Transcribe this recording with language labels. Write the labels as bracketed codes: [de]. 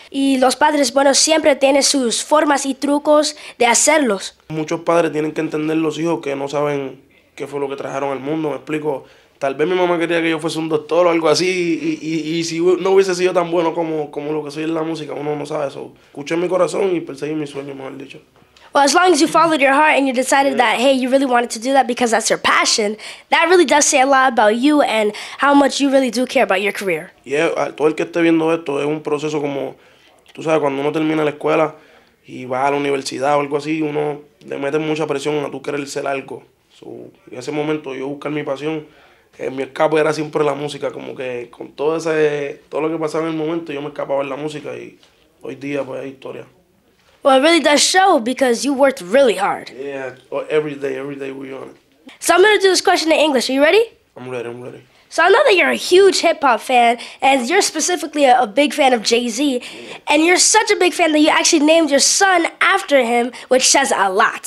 [es] Y los padres, bueno, siempre tienen sus formas y trucos de hacerlos. Muchos padres tienen que entender los hijos que no saben qué fue lo que trajeron al mundo. Me explico, tal vez mi mamá quería que yo fuese un doctor o algo así. Y si no hubiese sido tan bueno como lo que soy en la música, uno no sabe eso. Escuché mi corazón y perseguí mi sueño, mejor dicho. [en] Well, as long as you followed your heart and you decided that, hey, you really wanted to do that because that's your passion, that really does say a lot about you and how much you really do care about your career. [es] Yeah, todo el que esté viendo esto es un proceso como, tú sabes, cuando uno termina la escuela y va a la universidad o algo así, uno le mete mucha presión a tú querer ser algo. So, en ese momento yo buscar mi pasión, mi escape era siempre la música, como que con todo lo que pasaba en el momento yo me escapaba en la música y hoy día pues es historia. [en] Well, it really does show because you worked really hard. Yeah, every day we on it. So I'm going to do this question in English. Are you ready? I'm ready. So I know that you're a huge hip-hop fan, and you're specifically a big fan of Jay-Z. And you're such a big fan that you actually named your son after him, which says a lot.